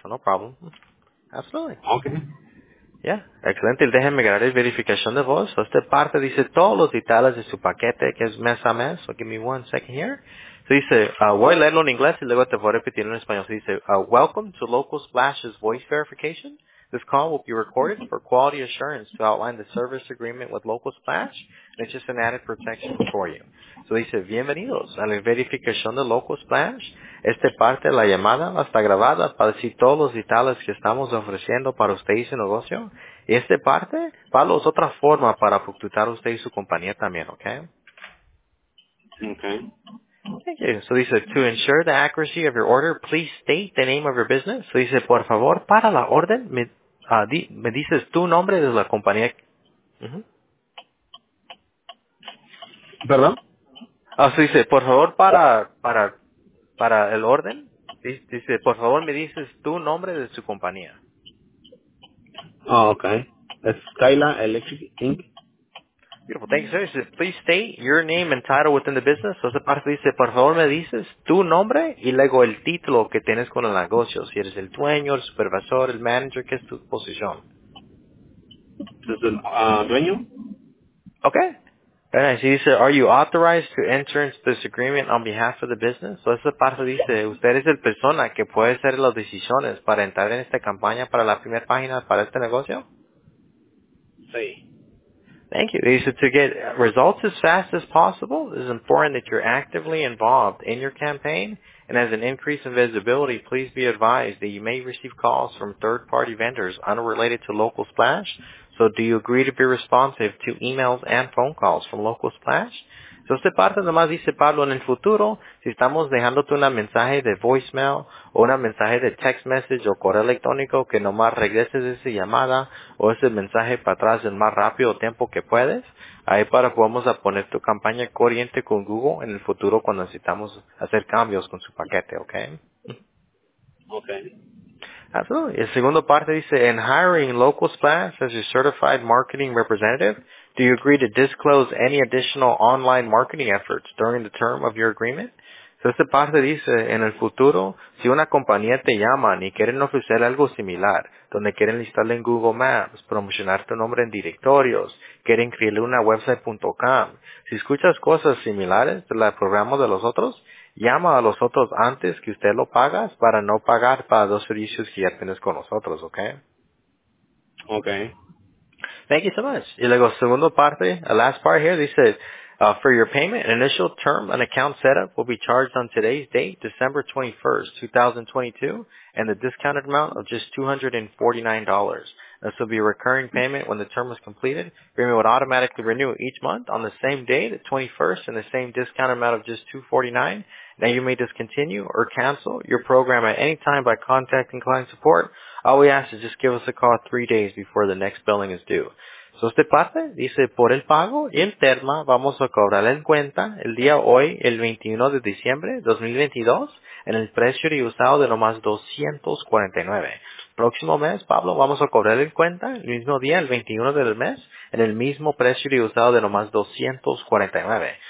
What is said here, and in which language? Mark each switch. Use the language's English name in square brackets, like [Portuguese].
[English] No problem. Absolutely. Okay. [Spanish] Ya, yeah. Excelente. Déjenme grabar la verificación de voz. Esta parte dice todos los detalles de su paquete, que es mes a mes. [English] So give me one second here. [Spanish] So dice, voy a leerlo en inglés y luego te voy a repetir en español. So dice, [English] welcome to Local Splash's voice verification. This call will be recorded for quality assurance to outline the service agreement with Local Splash. And it's just an added protection for you. [Spanish] So dice, bienvenidos a la verificación de Local Splash. Esta parte de la llamada está grabada para decir todos los detalles que estamos ofreciendo para usted y su negocio. Y esta parte, Pablo, es otra forma para facturar usted y su compañía también, ¿ok? [English] Okay. Thank you. [Spanish] So dice, [English] to ensure the accuracy of your order, please state the name of your business. [Spanish] So dice, por favor, para la orden, me dices tu nombre de la compañía. ¿Perdón? So dice, por favor, para el orden, dice, por favor, me dices tu nombre de su compañía. [English] Oh, okay. Skyla Electric Inc. Beautiful. Thank you, sir. [Spanish] Dice, [English] please state your name and title within the business. [Spanish] So, esa parte dice, por favor, me dices tu nombre y luego el título que tienes con el negocio. Si eres el dueño, el supervisor, el manager, ¿qué es tu posición? ¿Es el dueño? [English] Okay. Right. So he said, are you authorized to enter into this agreement on behalf of the business? [Spanish] So esa parte dice, usted es el persona que puede hacer las decisiones para entrar en esta campaña para la primera página para este negocio? Sí. [English] Thank you. He said, to get results as fast as possible, it is important that you're actively involved in your campaign. And as an increase in visibility, please be advised that you may receive calls from third-party vendors unrelated to Local Splash. So, do you agree to be responsive to emails and phone calls from Local Splash? [Spanish] So, esta parte nomás dice, Pablo, en el futuro, si estamos dejándote un mensaje de voicemail o un mensaje de text message o correo electrónico, que nomás regreses esa llamada o ese mensaje para atrás en más rápido tiempo que puedes, ahí para podemos a poner tu campaña corriente con Google en el futuro cuando necesitamos hacer cambios con su paquete, ¿ok? Ok. [English] Absolutely. [Spanish] El segundo parte dice, [English] in hiring Local Splash as your certified marketing representative, do you agree to disclose any additional online marketing efforts during the term of your agreement? [Spanish] So, esta parte dice, en el futuro, si una compañía te llama y quieren ofrecer algo similar, donde quieren listarle en Google Maps, promocionar tu nombre en directorios, quieren crearle una website.com, si escuchas cosas similares de los programas de los otros, llama a los otros antes que usted lo pagas para no pagar para dos servicios que ya tienes con nosotros, ¿ok? [English] Okay. Thank you so much. [Spanish] Y luego, segundo parte, [English] the last part here, they said, for your payment, an initial term and account setup will be charged on today's date, December 21st, 2022, and the discounted amount of just $249. This will be a recurring payment when the term is completed. Agreement would automatically renew each month on the same day, the 21st, and the same discounted amount of just $249. Now, you may discontinue or cancel your program at any time by contacting client support. All we ask is just give us a call 3 days before the next billing is due. [Spanish] So, esta parte dice, por el pago interno, vamos a cobrar en cuenta el día hoy, el 21 de diciembre 2022, en el precio y usado de nomás $249. Próximo mes, Pablo, vamos a cobrar en cuenta el mismo día, el 21 del mes, en el mismo precio y usado de nomás $249.